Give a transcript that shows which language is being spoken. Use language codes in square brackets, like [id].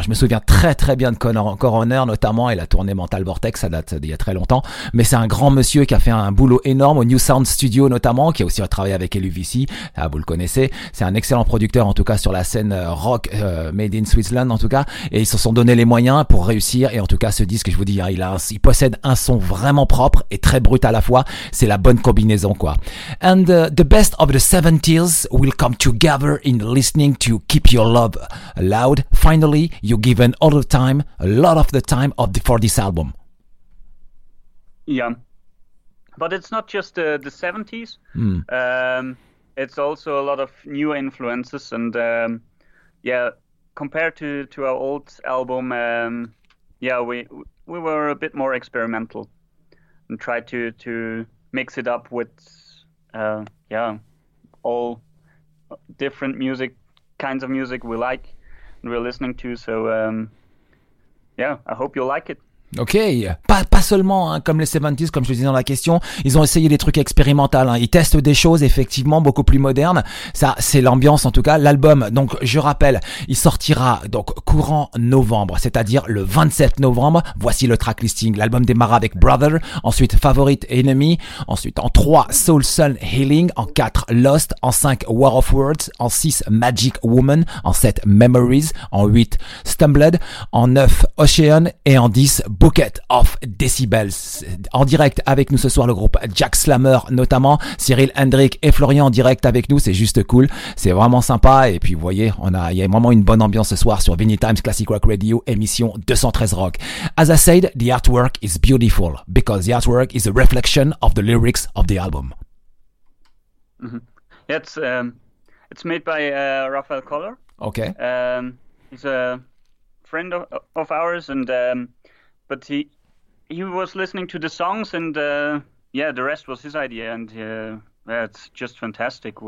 [fr] Je me souviens très très bien de Coroner notamment, il a tourné Mental Vortex, ça date d'il y a très longtemps, mais c'est un grand monsieur qui a fait un boulot énorme au New Sound Studio notamment, qui a aussi travaillé avec LUVC, vous le connaissez, c'est un excellent producteur en tout cas sur la scène rock made in Switzerland en tout cas, et ils se sont donné les moyens pour réussir, et en tout cas ce disque, je vous dis, il possède un son vraiment propre et très brut à la fois, c'est la bonne combinaison quoi. [en] And the best of the 70s will come together in listening to Keep Your Love Loud. Finally, you given all the time, a lot of the time for this album. Yeah. But it's not just the 70s. Mm. It's also a lot of new influences, and compared to our old album, we we were a bit more experimental and tried to mix it up with all different music kinds of music we like and we're listening to. So I hope you'll like it. [fr] Ok, pas seulement hein, comme les 70s, comme je le disais dans la question, ils ont essayé des trucs expérimentaux, hein. Ils testent des choses effectivement beaucoup plus modernes, ça c'est l'ambiance en tout cas. L'album, donc je rappelle, il sortira donc courant novembre, c'est-à-dire le 27 novembre, voici le track listing. L'album démarra avec Brother, ensuite Favorite Enemy, ensuite en 3 Soul Sun Healing, en 4 Lost, en 5 War of Words, en 6 Magic Woman, en 7 Memories, en 8 Stumbled, en 9 Ocean et en 10 Bucket of Decibels. En direct avec nous ce soir le groupe Jack Slammer, notamment Cyril Hendrick et Florian en direct avec nous, c'est juste cool, c'est vraiment sympa. Et puis vous voyez, il y a vraiment une bonne ambiance ce soir sur Vinny Times Classic Rock Radio, émission 213 Rock. [en] As I said, the artwork is beautiful because the artwork is a reflection of the lyrics of the album. Mm-hmm. Yeah, it's made by Raphael Koller. Okay. He's a friend of ours and but he was listening to the songs and the rest was his idea and it's just fantastic.